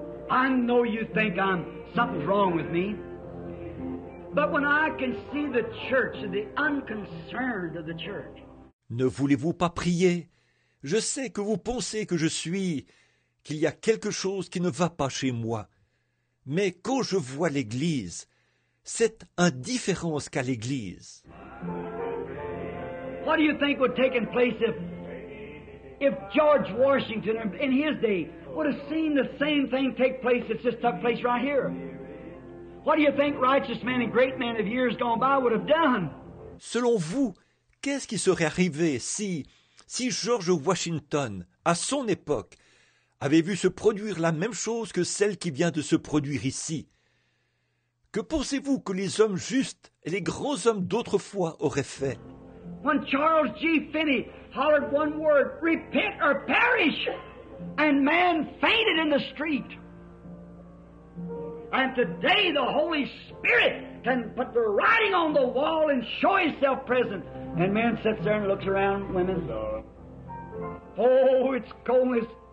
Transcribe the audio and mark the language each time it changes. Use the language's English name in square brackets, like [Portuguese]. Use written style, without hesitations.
[English] I know you think something's wrong with me. But when I can see the church, the unconcerned of the church. [French] Ne voulez-vous pas prier? Je sais que vous pensez que je suis, qu'il y a quelque chose qui ne va pas chez moi. Mais quand je vois l'Église, cette indifférence qu'a l'Église. [English] What do you think would have taken place if George Washington in his day would have seen the same thing take place that just took place right here? What do you think righteous men and great men of years gone by would have done? [French] Selon vous, qu'est-ce qui serait arrivé si George Washington, à son époque, avait vu se produire la même chose que celle qui vient de se produire ici? Que pensez-vous que les hommes justes et les grands hommes d'autrefois auraient fait? [English] When Charles G. Finney hollered one word, repent or perish, and man fainted in the street. And today the Holy Spirit can put the writing on the wall and show Himself present. And man sits there and looks around women. Oh, it's coldness.